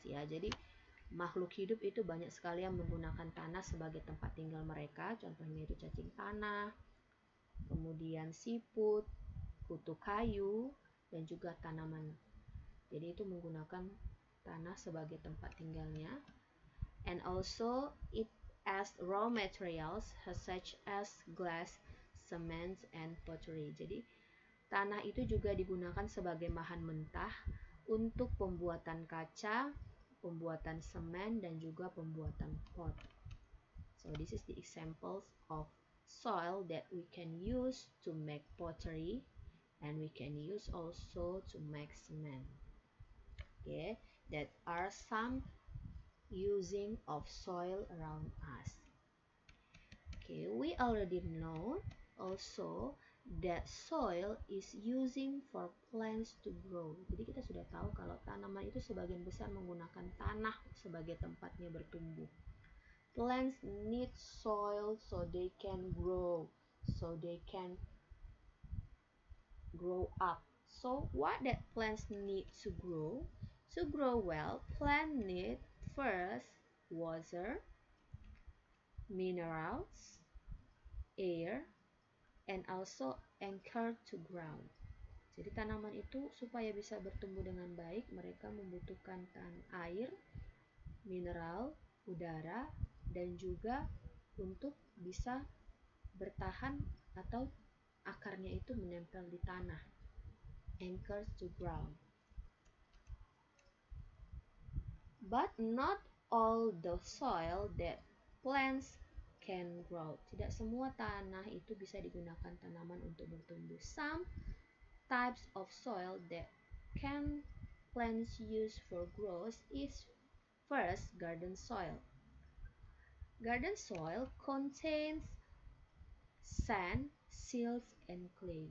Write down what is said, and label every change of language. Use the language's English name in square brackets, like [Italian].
[Indonesian] Ya, jadi makhluk hidup itu banyak sekali yang menggunakan tanah sebagai tempat tinggal mereka. Contohnya itu cacing tanah, kemudian siput, kutu kayu, dan juga tanaman. Jadi itu menggunakan tanah sebagai tempat tinggalnya. [English] And also it as raw materials such as glass, cement, and pottery. [Indonesian] Jadi tanah itu juga digunakan sebagai bahan mentah untuk pembuatan kaca, pembuatan semen, dan juga pembuatan pot. [English] So this is the examples of soil that we can use to make pottery, and we can use also to make cement. Okay, that are some using of soil around us. Okay, we already know also that soil is using for plants to grow. [Indonesian] Jadi kita sudah tahu kalau tanaman itu sebagian besar menggunakan tanah sebagai tempatnya bertumbuh. [English] Plants need soil so they can grow, so they can grow up. So what that plants need to grow? To grow well, plant need first water, minerals, air, and also anchor to ground. [Indonesian] Jadi tanaman itu supaya bisa bertumbuh dengan baik, mereka membutuhkan air, mineral, udara, dan juga untuk bisa bertahan atau akarnya itu menempel di tanah. [English] Anchor to ground. But not all the soil that plants can grow. [Indonesian] Tidak semua tanah itu bisa digunakan tanaman untuk bertumbuh. [English] Some types of soil that can plants use for growth is first garden soil. Garden soil contains sand, silt, and clay.